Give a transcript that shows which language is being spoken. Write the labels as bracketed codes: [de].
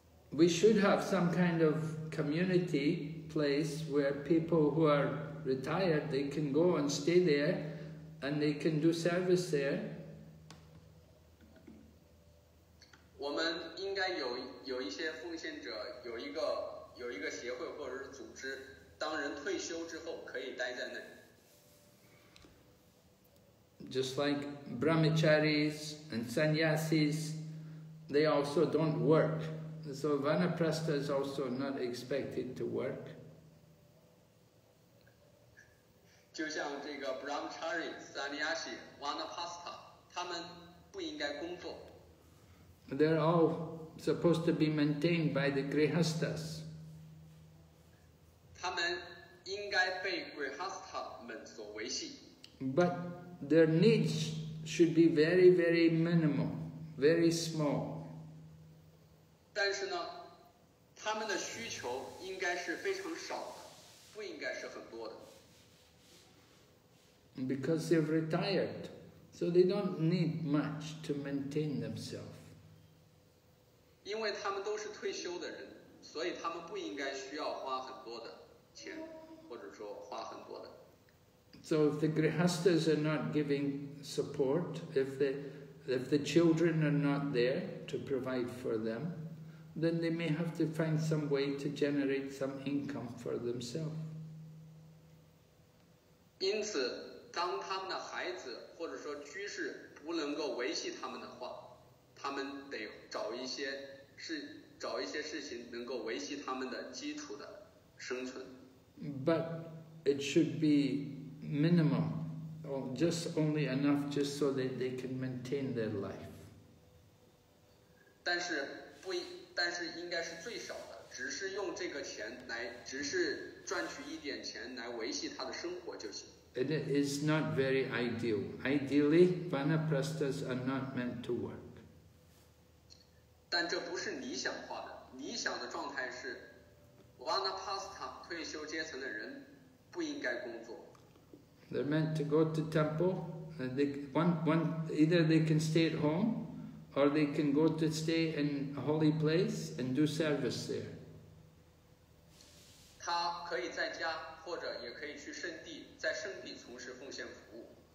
[en] We should have some kind of community place where people who are retired, they can go and stay there, and they can do service there. [zh] 我们应该有一些奉献者有一个协会或者是组织，当人退休之后可以待在那。 [en] Just like brahmacharis and sannyasis, they also don't work. So Vanaprastha is also not expected to work. [zh] 就像这个 Brahmachari, Sannyasi, Vanaprastha, 他们不应该工作。 [en] They're all supposed to be maintained by the Grihasthas. [zh] 他们应该被 Grihastha 们所维系。 [en] But their needs should be very, very minimal, very small. [zh] 但是呢，他们的需求应该是非常少的，不应该是很多的。 [en] Because they've retired, so they don't need much to maintain themselves. [zh] 因为他们都是退休的人，所以他们不应该需要花很多的钱，或者说花很多的。 [en] So if the grihasthas are not giving support, if the children are not there to provide for them, then they may have to find some way to generate some income for themselves. [zh] 因此，当他们的孩子或者说居士不能够维系他们的话，他们得找一些事情能够维系他们的基础的生存。 [en] But it should be minimum, or just only enough, just so that they can maintain their life. [zh] 但是应该是最少的，只是用这个钱来，只是赚取一点钱来维系他的生活就行。 [en] It is not very ideal. Ideally, vanaprastas are not meant to work. [zh] 但这不是理想化的。理想的状态是 ，vanaprastha 退休阶层的人不应该工作。 [en] They're meant to go to temple. Either they can stay at home, or they can go to stay in a holy place and do service there. [zh] 他可以在家，或者也可以去圣地，在圣地从事奉献服务。